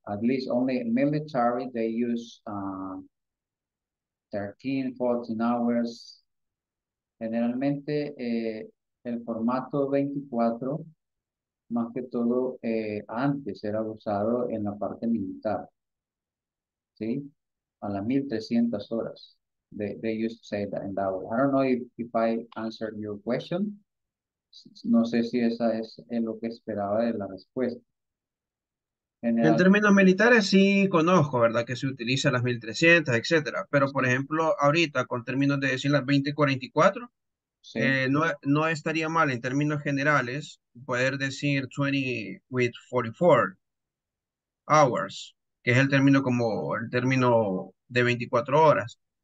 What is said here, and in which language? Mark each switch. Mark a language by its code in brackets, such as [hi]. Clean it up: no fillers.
[en] At least only military, they use 13, 14 hours. [es] Generalmente, el formato 24, más que todo, antes era usado en la parte militar, ¿sí? A las 1300 horas. [en] They used to say that in that way. I don't know if I answered your question. [es] No sé si esa es lo que esperaba de la respuesta. General, en términos militares sí conozco, ¿verdad? Que se utiliza las 1300, etcétera. Pero, por ejemplo, ahorita, con términos de decir las 2044, sí. No estaría mal en términos generales poder decir [en] 20 with 44 hours, [es] que es el término como el término de 24 horas.